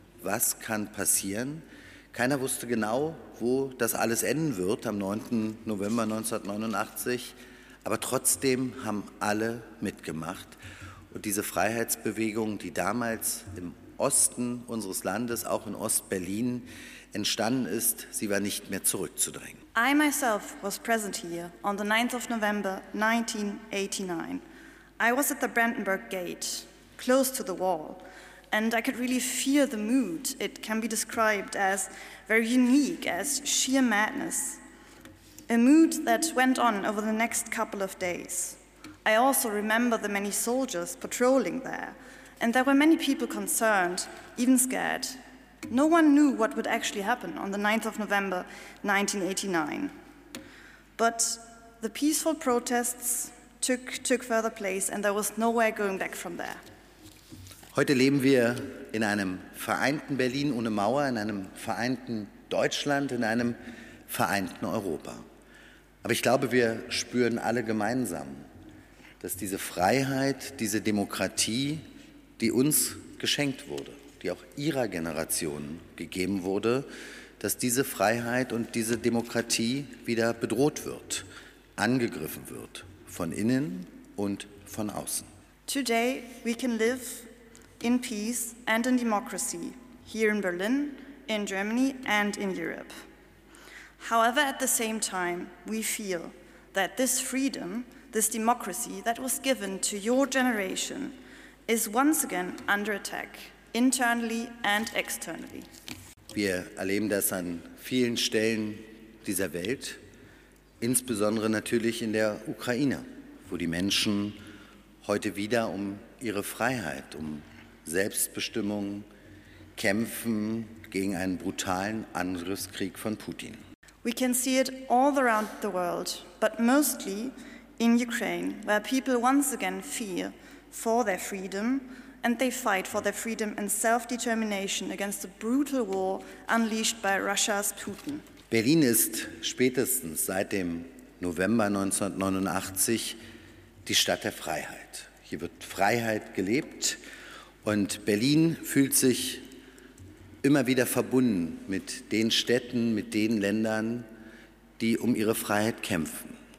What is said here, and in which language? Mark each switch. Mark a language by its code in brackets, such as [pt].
[de] Was kann passieren? Keiner wusste genau, wo das alles enden wird am 9. November 1989. Aber trotzdem haben alle mitgemacht. Und diese Freiheitsbewegung, die damals im Osten unseres Landes, auch in Ost-Berlin, entstanden ist, sie war nicht mehr zurückzudrängen. [en] I myself was present here on the 9th of November 1989. I was at the Brandenburg Gate, close to the wall, And I could really feel the mood. It can be described as very unique, as sheer madness. A mood that went on over the next couple of days. I also remember the many soldiers patrolling there, and there were many people concerned, even scared. No one knew what would actually happen on the 9th of November, 1989. But the peaceful protests took further place, and there was nowhere going back from there. [de] Heute leben wir in einem vereinten Berlin ohne Mauer, in einem vereinten Deutschland, in einem vereinten Europa. Aber ich glaube, wir spüren alle gemeinsam, dass diese Freiheit, diese Demokratie, die uns geschenkt wurde, die auch Ihrer Generation gegeben wurde, dass diese Freiheit und diese Demokratie wieder bedroht wird, angegriffen wird, von innen und von außen. [en] Today we can live in peace and in democracy, here in Berlin, in Germany and in Europe. However, at the same time, we feel that this freedom, this democracy that was given to your generation, is once again under attack, internally and externally. [de] Wir erleben das an vielen Stellen dieser Welt, insbesondere natürlich in der Ukraine, wo die Menschen heute wieder um ihre Freiheit, um Selbstbestimmung kämpfen gegen einen brutalen Angriffskrieg von Putin. [en] We can see it all around the world, but mostly in Ukraine, where people once again fear for their freedom and they fight for their freedom and self-determination against the brutal war unleashed by Russia's Putin. [de] Berlin ist spätestens seit dem November 1989 die Stadt der Freiheit. Hier wird Freiheit gelebt und Berlin fühlt sich immer wieder verbunden mit den Städten, mit den Ländern, die um ihre Freiheit kämpfen.